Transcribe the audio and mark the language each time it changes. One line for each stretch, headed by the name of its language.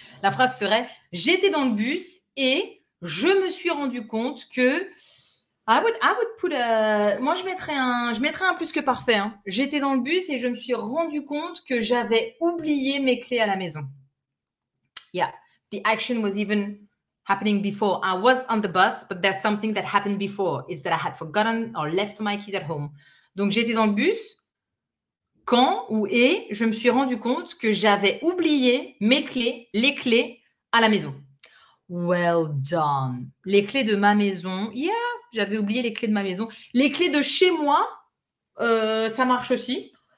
French: La phrase serait, j'étais dans le bus et je me suis rendu compte que...
English: I would put a...
French: Moi, je mettrais un plus que parfait. Hein. J'étais dans le bus et je me suis rendu compte que j'avais oublié mes clés à la maison.
English: Yeah, the action was even happening before. I was on the bus, but there's something that happened before. Is that I had forgotten or left my keys at home.
French: Donc, j'étais dans le bus quand ou et je me suis rendu compte que j'avais oublié mes clés, les clés à la maison.
English: Well done.
French: Les clés de ma maison, yeah. J'avais oublié les clés de ma maison. Les clés de chez moi, ça marche aussi.